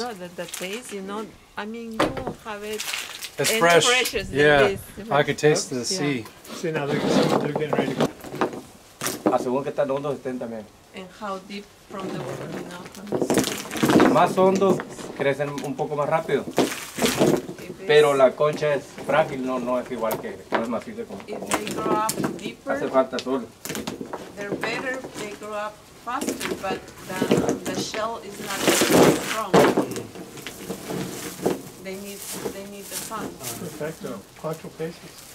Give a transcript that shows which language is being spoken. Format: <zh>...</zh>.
<en>I know, the taste, you know, I mean, you won't have it. It's fresh. Fresh as yeah. This. I could taste the sea. Yeah. See, now they're getting ready to go.</en> <es>A según que tan hondos estén también.</es> <en>And how deep from the water, you know, comes.</en> <es>Más hondos crecen un poco más rápido. Pero la concha es frágil, no es igual que no es macizo como.</es> <en>If they grow up deeper,</en> <es>hace falta sol.</es> <en>They're better if they grow up faster, but the shell is not very strong. They need the sun.</en> <es>Perfecto. Cuatro pesos.</es>